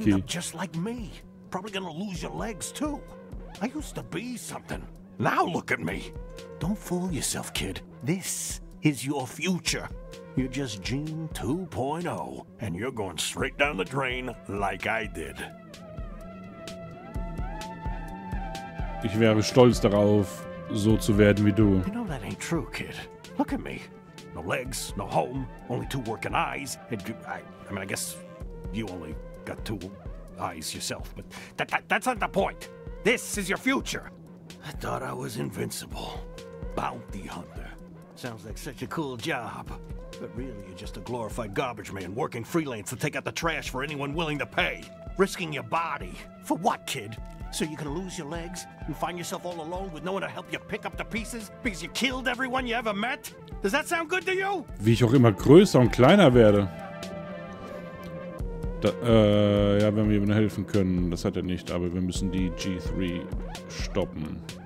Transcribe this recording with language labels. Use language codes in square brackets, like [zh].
[en] Gonna end up just like me. Probably gonna lose your legs, too. I used to be something. Now look at me. Don't fool yourself, kid. This is your future. You're just Gene 2.0, and you're going straight down the drain like I did. [de] Ich wäre stolz darauf, so zu werden wie du. [en] You know that ain't true, kid. Look at me. No legs, no home, only two working eyes. I guess you only got two eyes yourself, but that's not the point. This is your future. I thought I was invincible. Bounty hunter. Sounds like such a cool job. But really, you're just a glorified garbage man working freelance to take out the trash for anyone willing to pay. Risking your body. For what, kid? So you can lose your legs and find yourself all alone with no one to help you pick up the pieces because you killed everyone you ever met? Does that sound good to you? [de] Wie ich auch immer größer und kleiner werde. Ja, wenn wir ihm helfen können, das hat er nicht, aber wir müssen die G3 stoppen.